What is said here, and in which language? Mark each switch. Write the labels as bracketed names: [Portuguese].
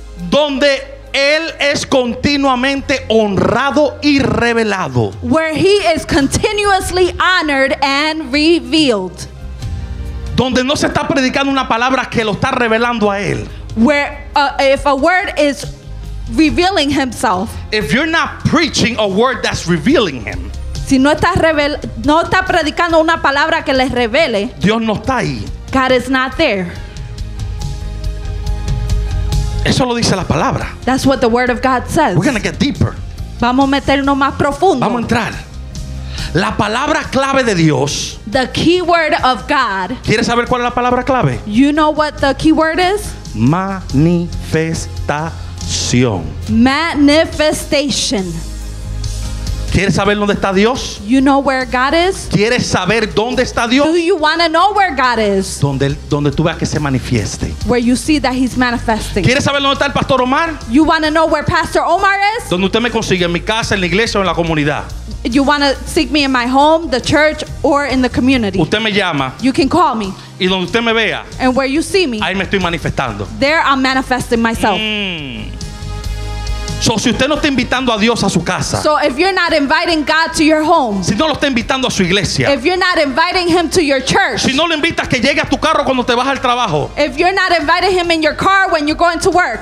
[Spanish] Donde él es continuamente honrado y revelado. [English] Where he is continuously honored and revealed. [Spanish] Donde no se está predicando una palabra que lo está revelando a él. [English] Where if a word is revealing himself. If you're not preaching a word that's revealing him. [Spanish] Si no está predicando una palabra que le revele. Dios no está ahí. [English] God is not there. [Spanish] Eso lo dice la palabra. [English] That's what the word of God says. We're going to get deeper. [Spanish] Vamos a meternos más profundo. Vamos a entrar. La palabra clave de Dios. [English] The key word of God. [Spanish] ¿Quieres saber cuál es la palabra clave? [English] You know what the key word is? [Spanish] Manifestación. [English] Manifestation. [Spanish] ¿Quieres saber dónde está Dios? [English] You know where God is? [Spanish] ¿Quieres saber dónde está Dios? [English] Do you want to know where God is? [Spanish] Donde tú veas que se manifieste. [English] Where you see that he's manifesting. [Spanish] ¿Quieres saber dónde está el Pastor Omar? [English] You want to know where Pastor Omar is? [Spanish] Donde usted me consigue, en mi casa, en la iglesia o en la comunidad. [English] You want to seek me in my home, the church, or in the community. [Spanish] Usted me llama. [English] You can call me. [Spanish] Y donde usted me vea. [English] And where you see me. [Spanish] Ahí me estoy manifestando. [English] There I'm manifesting myself. [Spanish] So, si usted no está invitando a Dios a su casa. [English] So, if you're not inviting God to your home. [Spanish] Si no lo está invitando a su iglesia. [English] If you're not inviting him to your church. [Spanish] Si no lo invitas que llegue a tu carro cuando te vas al trabajo. [English] If you're not inviting him in your car when you're going to work.